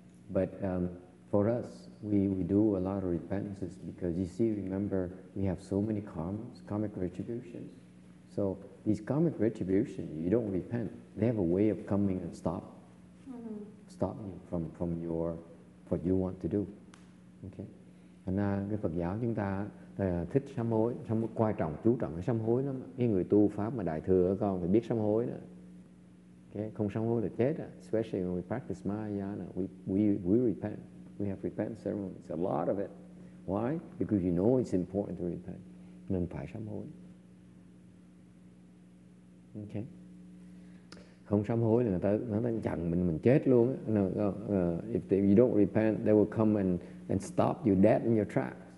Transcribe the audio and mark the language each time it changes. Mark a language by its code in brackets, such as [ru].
[en] But for us, we do a lot of repentances because, you see, remember, we have so many karmas, karmic retributions. So these karmic retributions, you don't repent. They have a way of coming and stopping you from your what you want to do. Okay? [vi] Thành ra cái Phật giáo chúng ta thích sám hối, sám hối quan trọng, chú trọng cái sám hối lắm. Cái người tu pháp mà đại thừa con thì biết sám hối đó. [en] Okay? [vi] Không sám hối là chết. [en] Especially when we practice Mahayana, we repent. We have repentance ceremonies, a lot of it. Why? Because you know it's important to repent. [vi] Nên phải sám hối. [en] Okay. [vi] Không sám hối thì người ta chặn mình chết luôn. [en] If you don't repent, they will come and stop you dead in your tracks.